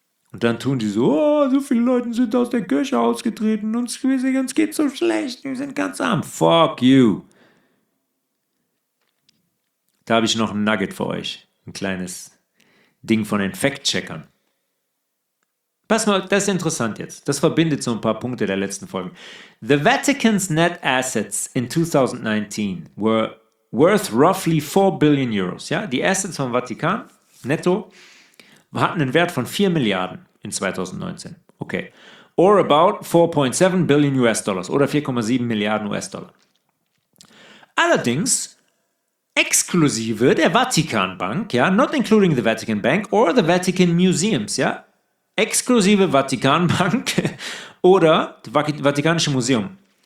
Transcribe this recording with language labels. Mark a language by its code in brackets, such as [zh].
[de] Und dann tun die so, oh, so viele Leute sind aus der Kirche ausgetreten und es geht so schlecht, wir sind ganz arm. [en] Fuck you. [de] Da habe ich noch ein Nugget für euch. Ein kleines Ding von den Fact-Checkern. Pass mal, das ist interessant jetzt. Das verbindet so ein paar Punkte der letzten Folgen. [en] The Vatican's net assets in 2019 were worth roughly 4 billion euros. [de] Ja? Die Assets vom Vatikan, netto, hatten einen Wert von 4 Milliarden in 2019. [en] Okay. Or about 4.7 billion US-Dollars [de] oder 4,7 Milliarden US-Dollar. allerdings exklusive der Vatikanbank, ja, [en] not including the Vatican Bank or the Vatican Museums, [de] ja, exklusive Vatikanbank oder Vatikanische Museum.